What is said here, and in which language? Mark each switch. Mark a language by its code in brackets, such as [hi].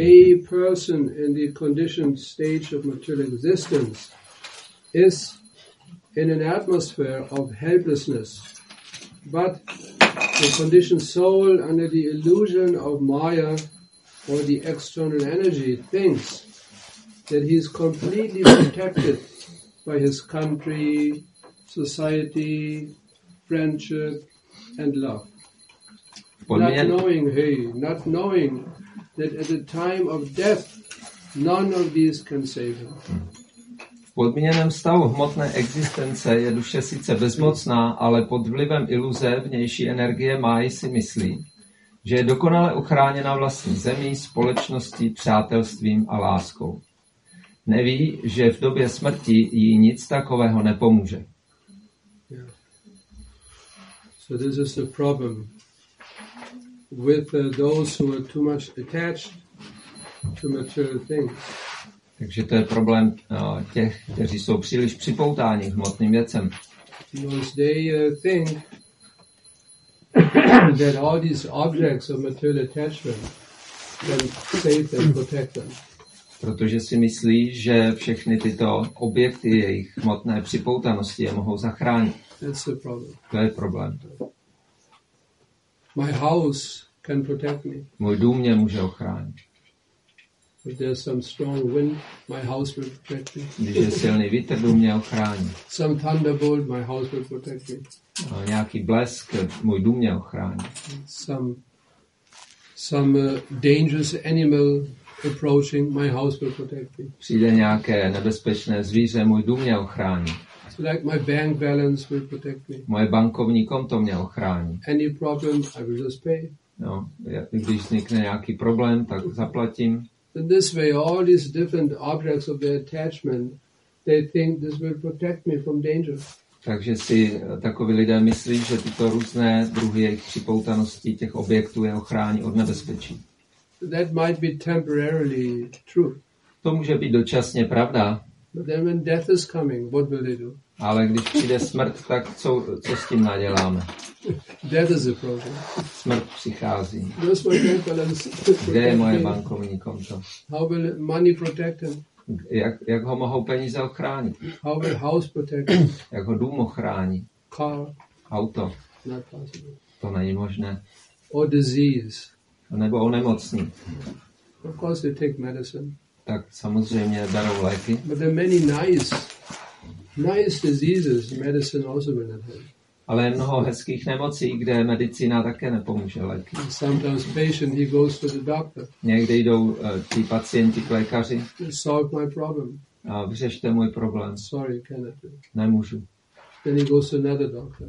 [en] A person in the conditioned stage of material existence is in an atmosphere of helplessness, but the conditioned soul under the illusion of Maya or the external energy thinks that he is completely protected by his country, society, friendship, and love. Not knowing that at the time of death, none of these can save him. [cs] V podmíněném stavu hmotné existence je duše sice bezmocná, ale pod vlivem iluze vnější energie Máji si myslí, že je dokonale ochráněna vlastní zemí, společností, přátelstvím a láskou. Neví, že v době smrti jí nic takového nepomůže. [en] So this is the problem with those who are too much attached to material things. [cs] Takže to je problém těch, kteří jsou příliš připoutáni hmotným věcem. [en] They think that all these objects of material attachment can save them, protect them. [cs] Protože si myslí, že všechny tyto objekty jejich hmotné připoutanosti je mohou zachránit. [en] That's the problem. [cs] To je problém. [en] My house can protect me. [cs] Můj dům mě může ochránit. [en] If there's some strong wind, my house will protect me. [cs] Když je silný vítr, dům mě ochrání. [en] Some thunderbolt, my house will protect me. [cs] A nějaký blesk, můj dům mě ochrání. [en] Some dangerous animal approaching, my house will protect me. [cs] Přijde nějaké nebezpečné zvíře, můj dům mě ochrání. [en] So like my bank balance will protect me. [cs] Moje bankovní konto mě ochrání. [en] Any problem, I will just pay. [cs] No, když vznikne nějaký problém, tak zaplatím. [en] In this way, all these different objects of their attachment, they think this will protect me from danger. [cs] Takže si takoví lidé myslí, že tyto různé druhy jejich připoutanosti těch objektů je ochrání od nebezpečí. [en] That might be temporarily true. [cs] To může být dočasně pravda. [en] But then when death is coming, what will they do? [cs] Ale když přijde smrt, tak co s tím naděláme? [en] Death is a problem. [cs] Smrt přichází. [en] Where's my bank balance? [cs] Kde je moje bankovní konto? [en] How will money protect him? [cs] Jak ho mohou peníze ochránit? [en] How will house protect him? [cs] Jak ho dům ochrání? [en] Car. [cs] Auto. [en] Not possible. [cs] To není možné. [en] Or disease. [cs] Nebo onemocní. [en] Of course they take medicine. [cs] Tak samozřejmě berou léky. [en] But there are many nice diseases, medicine also will not help. [cs] Ale je mnoho hezkých nemocí, kde medicína také nepomůže léky. [en] Sometimes patient, he goes to the doctor. [cs] Někdy jdou ti pacienti k lékaři. [en] Solve my problem. [cs] A vyřešte můj problém. [en] Sorry, cannot do. [cs] Nemůžu. [en] Then he goes to another doctor.